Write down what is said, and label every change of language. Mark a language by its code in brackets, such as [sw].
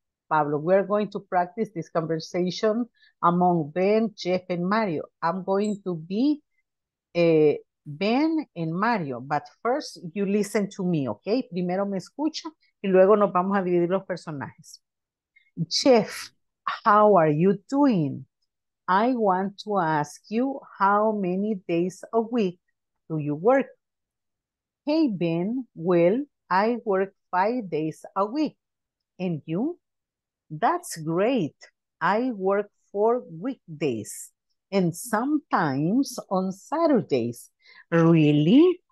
[en] Pablo, we're going to practice this conversation among Ben, Jeff, and Mario. I'm going to be Ben and Mario, but first you listen to me, okay? [es] Primero me escucha y luego nos vamos a dividir los personajes. [en] Jeff, how are you doing? I want to ask you how many days a week do you work? Hey, Ben, well, I work 5 days a week. And you? That's great. I work 4 weekdays and sometimes on Saturdays. Really?